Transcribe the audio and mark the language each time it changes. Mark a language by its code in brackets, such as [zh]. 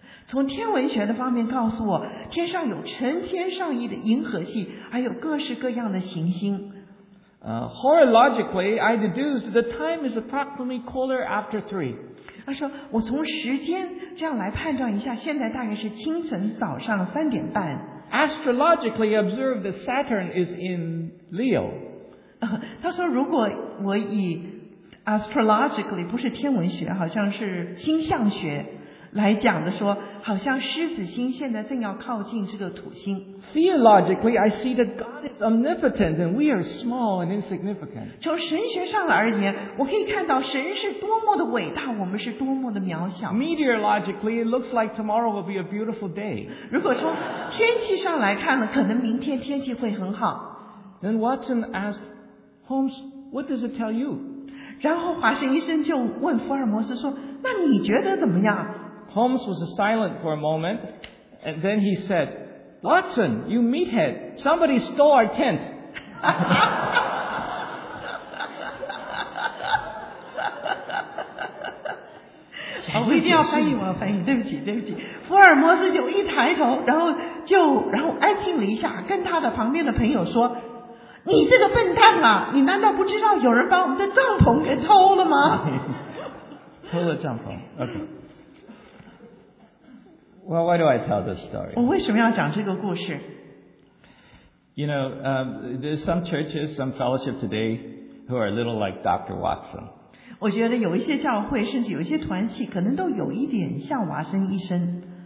[zh] 从天文学的方面告诉我，天上有成千上亿的银河系，还有各式各样的行星。 [en] Horologically, I deduced the time is approximately quarter after three. [zh] 他说，我从时间这样来判断一下，现在大概是清晨早上三点半。 [en] Astrologically, observe that Saturn is in Leo. [zh] 他说，如果我以 astrologically 不是天文学，好像是星象学。来讲的说，好像狮子星现在正要靠近这个土星。 [en] Theologically, I see that God is omnipotent and we are small and insignificant. [zh] 从神学上而言，我可以看到神是多么的伟大，我们是多么的渺小。 [en] Meteorologically, it looks like tomorrow will be a beautiful day. [zh] 如果从天气上来看呢，可能明天天气会很好。 [en] Then Watson asked Holmes, "What does it tell you?" [zh] 然后华生医生就问福尔摩斯说，那你觉得怎么样？ [en] Holmes was silent for a moment, and then he said, "Watson, you meathead, somebody stole our tent." [zh] 我一定要翻译，我要翻译，对不起，对不起。福尔摩斯就一抬头，然后安静了一下，跟他的旁边的朋友说，你这个笨蛋啊，你难道不知道有人把我们的帐篷给偷了吗？偷了帐篷 ,OK。 [en] Well, why do I tell this story? [zh] 我为什么要讲这个故事？ [en] You know, there's some churches, some fellowship today who are a little like Dr. Watson. [zh] 我觉得有一些教会，甚至有一些团契，可能都有一点像瓦森医生。